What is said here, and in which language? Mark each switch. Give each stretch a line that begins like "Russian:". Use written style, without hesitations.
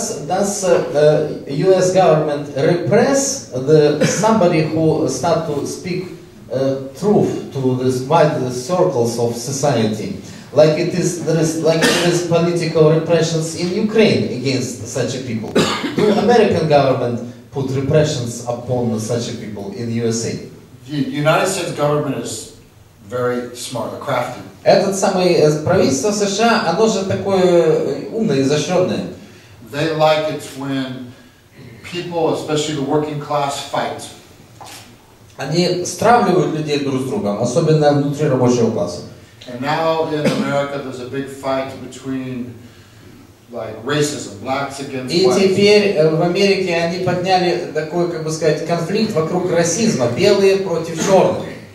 English: Does US government repress the somebody who start to speak truth to this wide circles of society? Like it is there is political repressions in Ukraine against such a people. Do American government put repressions upon such a people in USA? The United States government is very smart, crafty.
Russian: Этот самый правительство США, оно же такое умное, изощренное.
English: They like it when people, especially the working class, fight.
Russian: Они стравливают людей друг с другом, особенно внутри рабочего класса.
English: And now in America there's a big fight between like racism, blacks against white.
Russian: И теперь в Америке они подняли такой, как бы сказать, конфликт вокруг расизма, белые против черных.